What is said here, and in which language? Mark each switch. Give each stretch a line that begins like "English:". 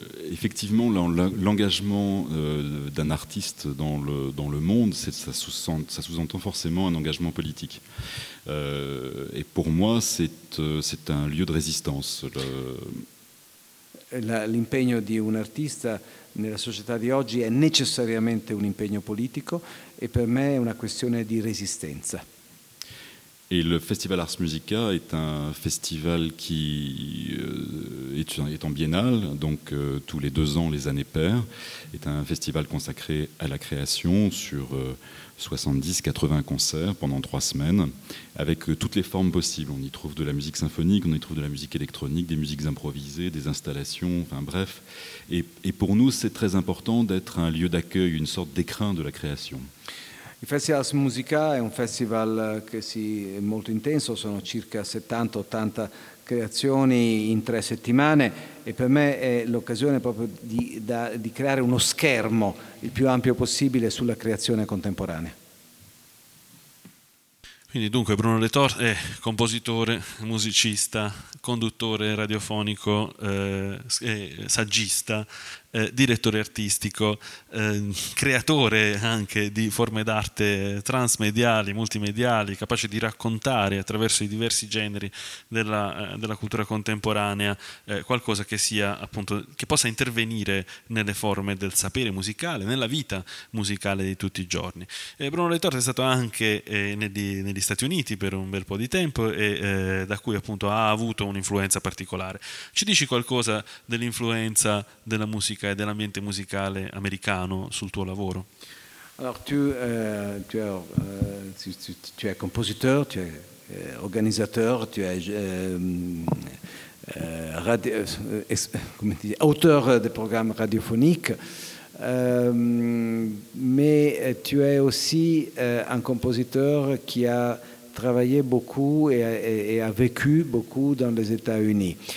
French: Effectivement, l'engagement d'un artiste dans le monde, ça sous-entend forcément un engagement politique. Et pour moi, c'est un lieu de résistance.
Italian: L'impegno di un artista nella società di oggi è necessariamente un impegno politico e per me è una questione di resistenza.
French: Et le Festival Ars Musica est un festival qui est en biennale, donc tous les 2 ans, les années paires, est un festival consacré à la création sur 70-80 concerts pendant 3 semaines, avec toutes les formes possibles. On y trouve de la musique symphonique, on y trouve de la musique électronique, des musiques improvisées, des installations, enfin bref. Et pour nous, c'est très important d'être un lieu d'accueil, une sorte d'écrin de la création.
Italian: Il Festival Musica è un festival che si è molto intenso, sono circa 70-80 creazioni in 3 settimane e per me è l'occasione proprio di creare uno schermo il più ampio possibile sulla creazione contemporanea. Quindi dunque Bruno Letor è compositore, musicista, conduttore radiofonico, saggista, direttore artistico, creatore anche di forme d'arte transmediali, multimediali, capace di raccontare attraverso i diversi generi della cultura contemporanea qualcosa che sia appunto che possa intervenire nelle forme del sapere musicale, nella vita musicale di tutti i giorni. Bruno Letor è stato anche negli Stati Uniti per un bel po' di tempo e da cui appunto ha avuto un'influenza particolare. Ci dici qualcosa dell'influenza della musica e dell'ambiente musicale americano sul tuo lavoro?
French: Alors, tu es compositeur, tu es organisateur, tu es auteur de programmes radiophoniques, mais tu es aussi un compositeur qui a travaillé beaucoup et a vécu beaucoup dans les États-Unis.